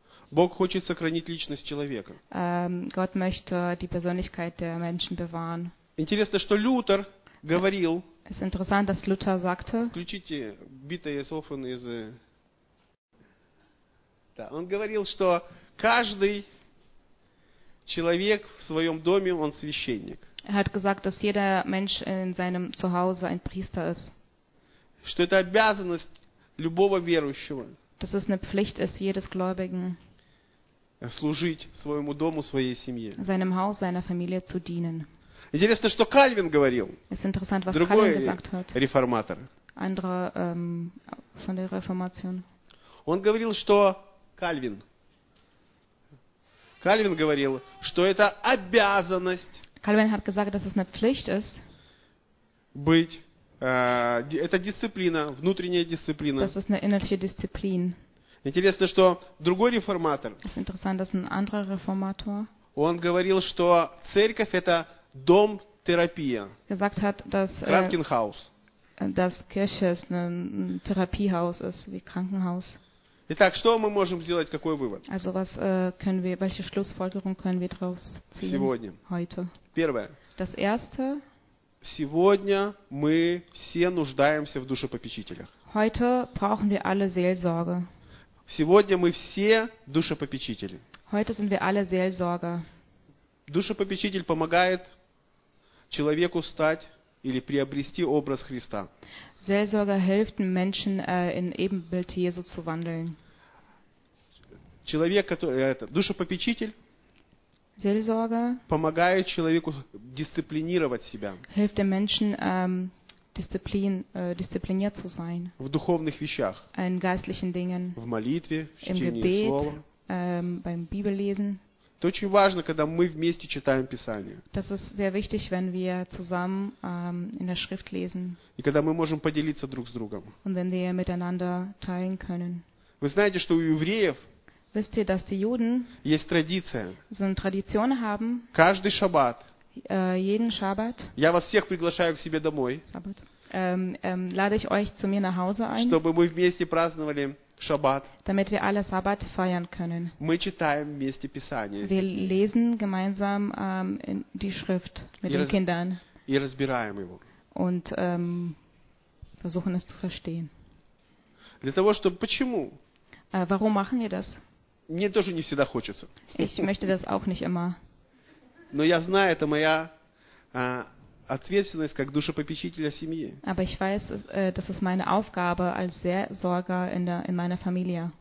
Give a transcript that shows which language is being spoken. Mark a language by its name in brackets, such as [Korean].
[Russian] Бог хочет сохранить личность человека. [German] Gott möchte die Persönlichkeit der Menschen bewahren. [Russian] Интересно, что Лютер говорил. [German] Es ist interessant, dass Luther sagte. Включите Битоесофен из. [Russian] Да, он говорил, что каждый человек в своем доме он священник. [German] Er hat gesagt, dass jeder Mensch in seinem Zuhause ein Priester ist. [Russian] Что это обязанность любого верующего. [German] Dass es eine Pflicht ist jedes Gläubigen. [Russian] Служить своему дому, своей семье. [German] Seinem Haus, seiner Familie zu dienen. [Russian] Интересно, что Кальвин говорил. [German] Es ist interessant, was [Russian] Другой [German] Calvin gesagt hat. [Russian] Реформатор. [German] Andere von der Reformation. [Russian] Он говорил, что Кальвин. Кальвин говорил, что это обязанность. [German] Calvin hat gesagt, dass es eine Pflicht ist. [Russian] Быть Это дисциплина, внутренняя дисциплина. [German] Das ist eine innerliche Disziplin. [Russian] Интересно, что другой реформатор. [German] Es ist interessant, dass ein anderer Reformator. [Russian] Он говорил, что церковь это дом терапия. [German] Gesagt hat, dass Krankenhaus. Dass Kirche ist ein Therapiehaus ist wie Krankenhaus. [Russian] Итак, что мы можем сделать, какой вывод? [German] Also was können wir, welche Schlussfolgerung können wir daraus ziehen? [Russian] Сегодня. [German] Heute. [Russian] Первое. [German] Das erste. [Russian] Сегодня мы все нуждаемся в душепопечителях. [German] Heute brauchen wir alle Seelsorge. [Russian] Сегодня мы все душепопечители. [German] Heute sind wir alle Seelsorger. [Russian] Душепопечитель помогает человеку стать или приобрести образ Христа. [German] Seelsorger hilft Menschen in Ebenbild Jesu zu wandeln. [Russian] Человек, который это душепопечитель [German] Seelsorger [Russian] помогает человеку дисциплинировать себя. [German] Hilft dem Menschen diszipliniert zu sein. [Russian] В духовных вещах. [German] In geistlichen Dingen. [Russian] В молитве, [German] im Gebet, beim Bibellesen. [Russian] Это очень важно, когда мы вместе читаем Писание. [German] Das ist sehr wichtig, wenn wir zusammen in der Schrift lesen. [Russian] И когда мы можем поделиться друг с другом. [German] Und wenn wir miteinander teilen können. [Russian] Вы знаете, что у евреев [German] Wisst ihr, dass die Juden [Russian] есть традиция. [German] So eine Tradition haben. [Russian] Каждый Шаббат. [German] Jeden Schabbat. [Russian] Я вас всех приглашаю к себе домой. [German] Sabbat. Lade ich euch zu mir nach Hause ein. [Russian] Чтобы мы вместе праздновали Шаббат. [German] Damit wir alle Sabbat feiern können. [Russian] Мы читаем вместе Писание. [German] Wir lesen gemeinsam die Schrift mit den Kindern. [Russian] И разбираем его. [German] Und versuchen es zu verstehen. [Russian] Для того, чтобы почему? [German] Warum machen wir das? [Russian] Мне тоже не всегда хочется. [German] Ich möchte das auch nicht immer. [Russian] Но я знаю, это моя ответственность как душепопечителя семьи. [German] Aber ich weiß, das ist meine Aufgabe als Seelsorger in meiner Familie.